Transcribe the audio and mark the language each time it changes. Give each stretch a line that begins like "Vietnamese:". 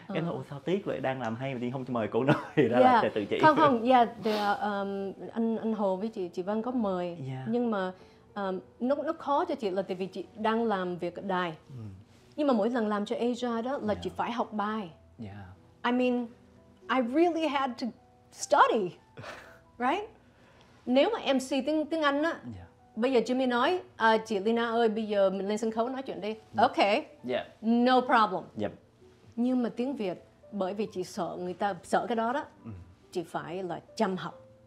Vietnamese: Em nói sao tiếc vậy, đang làm hay mà đi không cho mời cô nói thì đó là từ chị. Không, yeah, anh Hồ với chị Vân có mời.
English: Yeah.
Vietnamese: Nhưng mà nó khó cho chị là tại vì chị đang làm việc ở đài. Nhưng mà mỗi lần làm cho Asia đó là chị phải học bài.
English: Yeah. I mean, I really had to study, right?
Vietnamese: Nếu mà MC tiếng Anh á, bây giờ Jimmy nói, chị Lina ơi, bây giờ mình lên sân khấu nói chuyện đi.
English: Okay. Yeah. No problem. Yep.
Vietnamese: Nhưng mà tiếng Việt, bởi vì chị sợ người ta sợ cái đó, chị phải là chăm học.